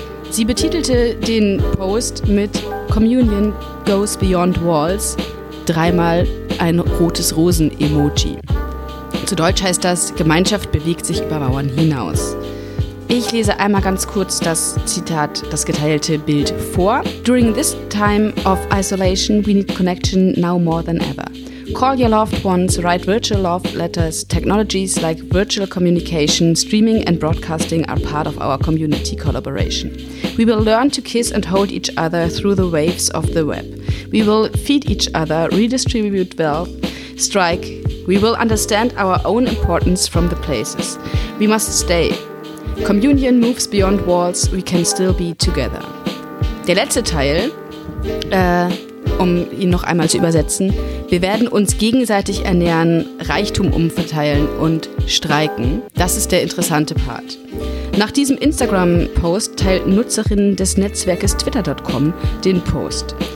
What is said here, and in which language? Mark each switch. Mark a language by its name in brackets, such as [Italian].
[German] Sie betitelte den Post mit [English] Communion Goes Beyond Walls, [German] dreimal ein rotes Rosen-Emoji. Zu Deutsch heißt das, Gemeinschaft bewegt sich über Mauern hinaus. Ich lese einmal ganz kurz das Zitat, das geteilte Bild vor. [English] During this time of isolation, we need connection now more than ever. Call your loved ones, write virtual love letters. Technologies like virtual communication, streaming and broadcasting are part of our community collaboration. We will learn to kiss and hold each other through the waves of the web. We will feed each other, redistribute wealth, strike. We will understand our own importance from the places. We must stay. Communion moves beyond walls. We can still be together. [German] Der letzte Teil, um ihn noch einmal zu übersetzen. Wir werden uns gegenseitig ernähren, Reichtum umverteilen und streiken. Das ist der interessante Part. Nach diesem Instagram-Post teilten Nutzerinnen des Netzwerkes Twitter.com den Post.